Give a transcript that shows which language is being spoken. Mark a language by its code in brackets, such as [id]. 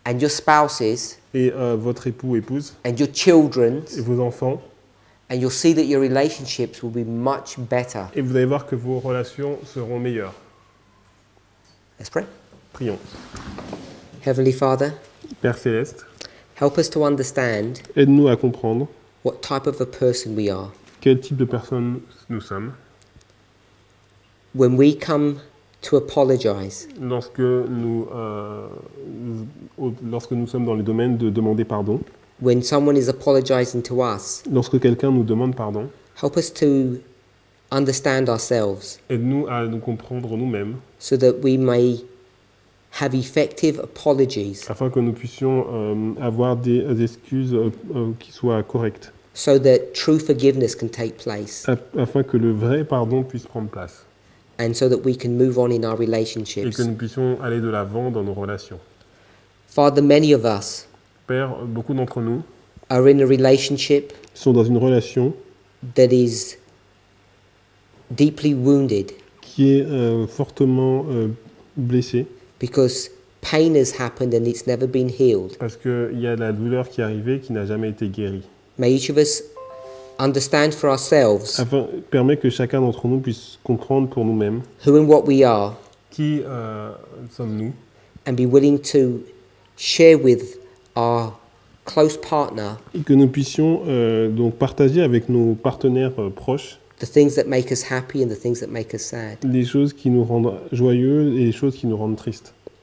[en] And your spouses. [fr] Et votre époux ou épouse. [en] And your children. [fr] Et vos enfants. [en] And you'll see that your relationships will be much better. [fr] Et vous allez voir que vos relations seront meilleures. [en] Let's pray. [fr] Prions. [en] Heavenly Father. [fr] Père céleste. [en] Help us to understand. [fr] Aide-nous à comprendre. [en] What type of a person we are. [fr] Quel type de personne nous sommes. [en] When we come to apologize. [fr] Lorsque nous sommes dans le domaine de demander pardon. [en] When someone is apologizing to us, [fr] lorsque quelqu'un nous demande pardon, [en] help us to understand ourselves, [fr] aide-nous à nous comprendre nous-mêmes, [en] so that we may have effective apologies, [fr] afin que nous puissions avoir des excuses qui soient correctes, [en] so that true forgiveness can take place, [fr] afin que le vrai pardon puisse prendre place, [en] and so that we can move on in our relationships, [fr] et que nous puissions aller de l'avant dans nos relations. [en] Father, many of us. [fr] Père, beaucoup d'entre nous [en] are in a relationship [fr] sont dans une relation [en] that is deeply wounded [fr] qui est fortement blessée [en] because pain has happened and it's never been healed. [fr] Parce qu'il y a la douleur qui est arrivée qui n'a jamais été guérie. [en] May each of us understand for ourselves [fr] afin, permet que chacun d'entre nous puisse comprendre pour nous-mêmes [en] who and what we are [fr] qui sommes-nous [en] and be willing to share with our close partner, [fr] et que nous puissions donc partager avec nos partenaires proches les choses qui nous rendent joyeux et les choses qui nous rendent tristes.